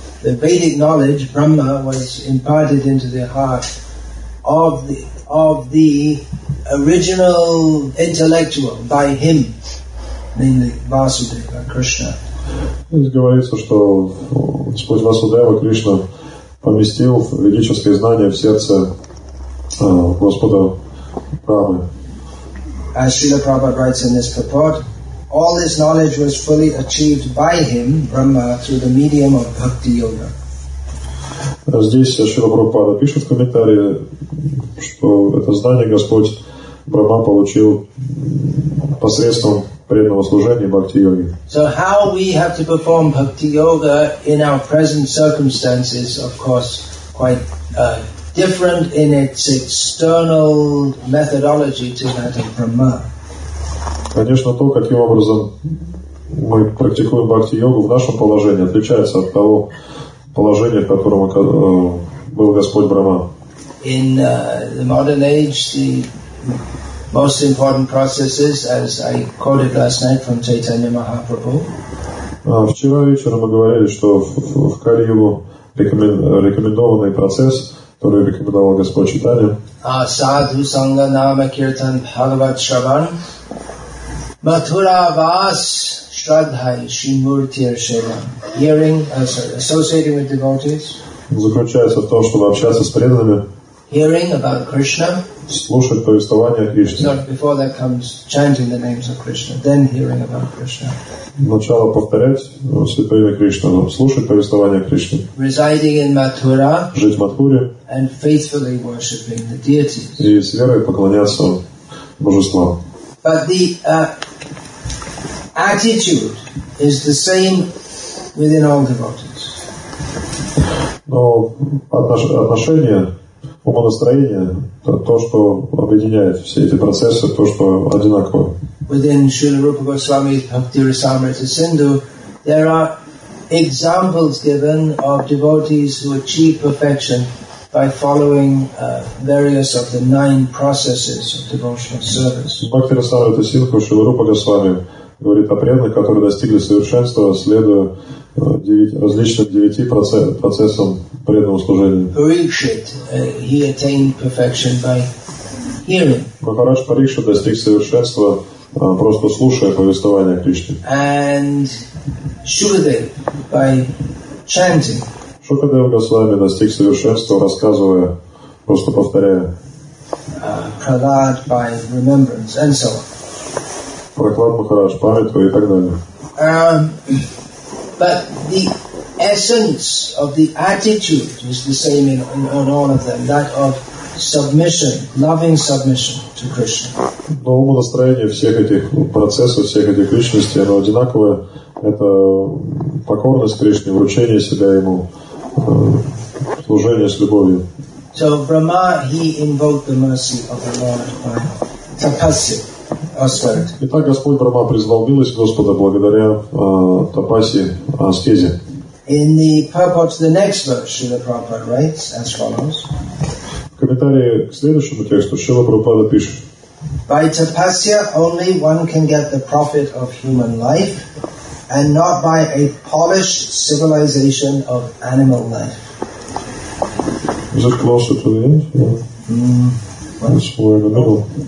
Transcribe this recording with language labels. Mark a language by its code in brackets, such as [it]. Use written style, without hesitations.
[en] the Vedic knowledge, Brahma, was imparted into the heart of the original intellectual by him, namely Vasudeva, Krishna. [ru] Здесь говорится, что Господь Васудева Кришна поместил ведическое знание в сердце Господа Брамы. [en] As Srila Prabhupada writes in this purport, all this knowledge was fully achieved by him, Brahma, through the medium of Bhakti Yoga. [ru] Здесь Шрила Прабхупада пишет в комментарии, что это знание Господь Брама получил посредством преданного служения Бхакти Йоги. [en] So how we have to perform Bhakti Yoga in our present circumstances, of course, quite different in its external methodology to that of Brahma. [ru] Конечно, то, каким образом мы практикуем Бхакти Йогу в нашем положении, отличается от того положения, в котором был Господь Брама. [en] In the modern age, the most important processes, as I quoted last night from Chaitanya Mahaprabhu. [ru] Вчера вечером мы говорили, что в Кали-Югу рекомендованный процесс, который рекомендовал Господь Чайтанья. [sa] Садху санга нама киртан бхагават шраван матура вас шрадхай шимуртир шеван. [en] Hearing, associating with devotees. [ru] Заключается в том, чтобы общаться с преданными. [en] Hearing about Krishna. [ru] Слушать повествование о Кришне. [en] So before that comes chanting the names of Krishna, then hearing about Krishna. [ru] Сначала повторять святое имя Кришны, но слушать повествование о Кришне. [en] Residing in Mathura. [ru] Жить в Матхуре. [en] And faithfully worshipping the deities. [ru] И с верой поклоняться божествам. [en] But the attitude is the same within all devotees. [ru] Но отношение, умонастроение, то, что объединяет все эти процессы, то, что одинаково. [en] Within Srila Rupa Goswami's Bhakti Rasamrita Sindhu, there are examples given of devotees who achieve perfection by following various of the nine processes of devotional service. [ru] Bhakti Rasamrita Sindhu, Srila Rupa Goswami, говорит о преданных, которые достигли совершенства, следуя различным девяти процессам преданного служения. [en] Parikshit, he attained perfection by hearing. [ru] Махарадж Парикшит достиг совершенства, просто слушая повествование Кришны. [en] And Шукадев by chanting. [ru] Шукадев Госвами достиг совершенства, рассказывая, просто повторяя. [en] Пралад by remembrance and so on. [ru] Проклад Махарадж, память твою и так далее. [en] But the essence of the attitude is the same in all of them, that of submission, loving submission to Krishna. [ru] Но умонастроение всех этих процессов, всех этих личностей, оно одинаковое. Это покорность Кришне, вручение себя Ему, служение с любовью. [en] So Brahma, he invoked the mercy of the Lord by tapasya. [ru] Итак, Господь Брама призвал милость Господа благодаря тапасе, аскезе. [en] In the purport to the next verse, Srila Prabhupada writes as follows. [ru] В комментарии к следующему тексту Шрила Прабхупада пишет. [en] By tapasya only one can get the profit of human life, and not by a polished civilization of animal life. Is it closer to the end? Yeah. It's more in the middle.